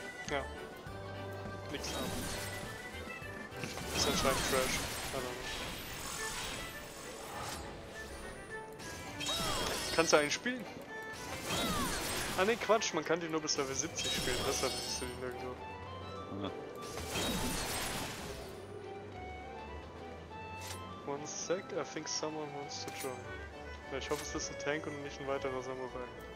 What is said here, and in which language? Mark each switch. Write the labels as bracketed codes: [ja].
[de] ja. Nix haben. Ist anscheinend Trash. Kannst du einen spielen? Ah ne, Quatsch, man kann die nur bis Level 70 spielen, deshalb siehst du die nirgendwo. Ja. [en] One sec, I think someone wants to join. [de] Ja, ich hoffe, es ist ein Tank und nicht ein weiterer Samurai.